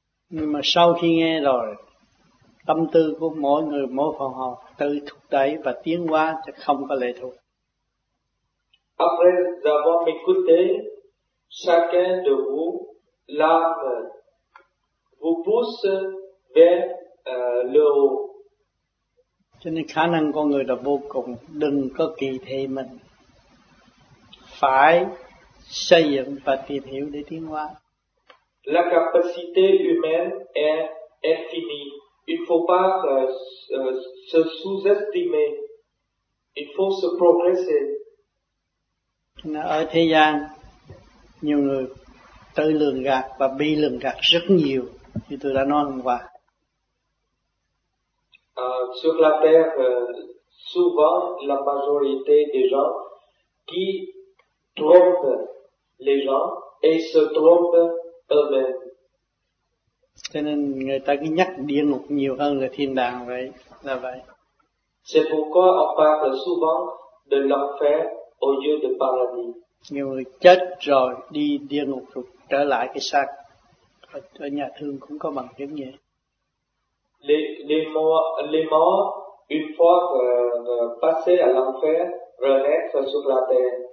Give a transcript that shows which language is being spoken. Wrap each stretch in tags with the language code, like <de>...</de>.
<vi>Nhưng mà sau khi nghe rồi, tâm tư của mỗi người mỗi phòng họp tự thúc đẩy và tiến hóa chứ không có lệ thuộc.</vi> <fr>Après avoir écouté, chacun de vous, l'âme vous pousse vers le haut.</fr> <vi>Cho nên khả năng con người là vô cùng, đừng có kỳ thị mình. Phải xây dựng và tìm hiểu để tiến hóa.</vi> <fr>La capacité humaine est infinie. Il faut pas se sous-estimer. Il faut se progresser.</fr> <vi>Ở thế gian, nhiều người tự lường gạt và bị lường gạt rất nhiều, như tôi đã nói hôm qua.</vi> <fr>Sur la terre, souvent la majorité des gens qui trompent les gens et se trompent eux-mêmes.</fr> <vi>Cho nên người ta cứ nhắc địa ngục nhiều hơn là thiên đàng vậy, là vậy.</vi> <fr>C'est pourquoi on parle souvent de l'enfer au lieu de paradis.</fr> <vi>Nhiều người chết rồi đi địa ngục rồi trở lại cái xác. Ở nhà thương cũng có bằng chứng vậy.</vi> <fr>Les morts, une fois passés à l'enfer, renaissent sur la terre.</fr>